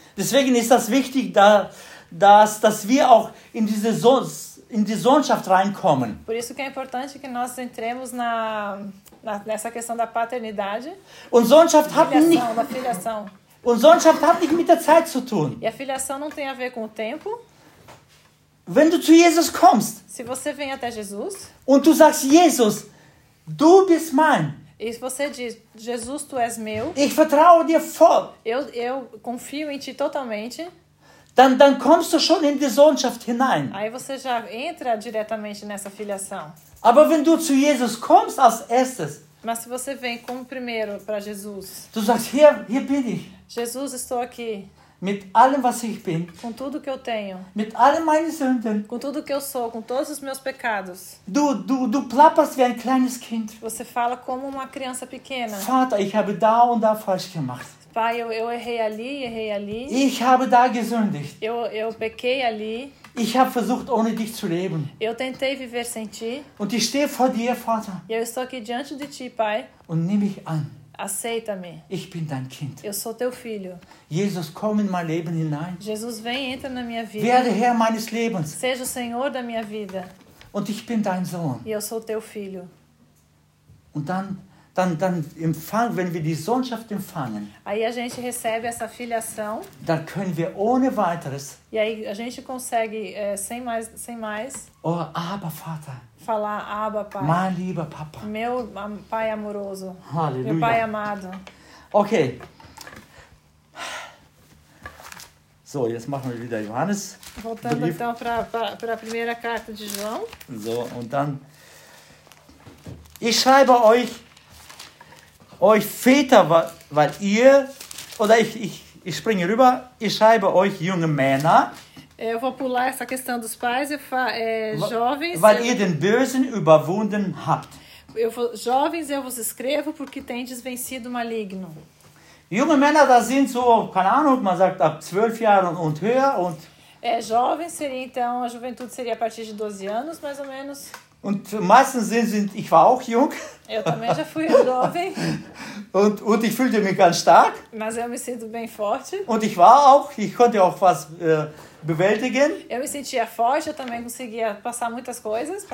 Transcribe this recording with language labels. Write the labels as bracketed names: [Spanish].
[German] Deswegen ist das wichtig, dass wir auch in die Sohnschaft reinkommen. [Portuguese] Por isso que é importante que nós entremos nessa questão da paternidade. [German] Und Sohnschaft hat nicht. [Portuguese] Da filiação. [German] Und Sohnschaft hat nicht mit der Zeit zu tun. [Portuguese] E a filiação não tem a ver com o tempo. [German] Wenn du zu Jesus kommst, [Portuguese] se você vem até Jesus, [German] und du sagst, Jesus, du bist mein, [Portuguese] e você diz, Jesus, tu és meu, [German] ich vertraue dir voll, [Portuguese] eu confio em ti totalmente, [German] dann kommst du schon in die Sohnschaft hinein. [Portuguese] Aí você já entra diretamente nessa filiação. [German] Aber wenn du zu Jesus kommst als erstes, [Portuguese] mas se você vem como primeiro para Jesus, [German] du sagst, hier bin ich. [Portuguese] Jesus, estou aqui. [German] Mit allem, was ich bin. [Portuguese] Com tudo que eu tenho. [German] Mit allen meinen Sünden. [Portuguese] Com tudo que eu sou, com todos os meus pecados. [German] Du plapperst wie ein kleines Kind. [Portuguese] Você fala como uma criança pequena. [German] Vater, ich habe da und da falsch gemacht. [Portuguese] Pai, eu errei ali, errei ali. [German] Ich habe da gesündigt. [Portuguese] Eu pequei ali. [German] Ich habe versucht, ohne dich zu leben. [Portuguese] Eu tentei viver sem ti. [German] Und ich stehe vor dir, Vater. [Portuguese] E eu estou aqui diante de ti, Pai. [German] Und nimm mich an. [Portuguese] Aceita-me. [German] Ich bin dein Kind. [Portuguese] Eu sou teu filho. [German] Jesus, komm in mein Leben hinein. [Portuguese] Jesus, vem, entra na minha vida. [German] Werde Herr meines Lebens. [Portuguese] Seja o Senhor da minha vida. [German] Und ich bin dein Sohn. [Portuguese] E eu sou teu filho. [German] Und dann empfangen, wenn wir die Sohnschaft empfangen. [Portuguese] Aí a gente recebe essa filiação. [German] Dann können wir ohne weiteres. [Portuguese] E aí a gente consegue sem mais. [German] Oh, aber Vater. [Portuguese] Falar, Abba, Pai. [German] Mein lieber Papa. [Portuguese] Meu Pai amoroso. [German] Halleluja. [Portuguese] Meu Pai amado. Okay. [German] So, jetzt machen wir wieder Johannes. [Portuguese] Voltando Brief. Então para a primeira carta de João. [German] So, und dann. Ich schreibe euch Väter, weil ihr, oder ich springe rüber, ich schreibe euch junge Männer. [Portuguese] Eu vou pular essa questão dos pais e jovens. [German] Weil ihr den Bösen überwunden habt. [Portuguese] Jovens, eu vos escrevo porque tendes vencido o maligno. [German] Junge Männer, das sind so, keine Ahnung, man sagt ab 12 Jahren und höher. Und [Portuguese] jovens seria então, a juventude seria a partir de 12 anos, mais ou menos. [German] Und meistens sind ich war auch jung. [Portuguese] Eu também já fui jovem. [German] Und ich fühlte mich ganz stark. [Portuguese] Mas eu me sinto bem forte. [German] Und ich war auch, ich konnte auch was bewältigen. [Portuguese] Eu me sentia forte, eu também conseguia passar muitas coisas.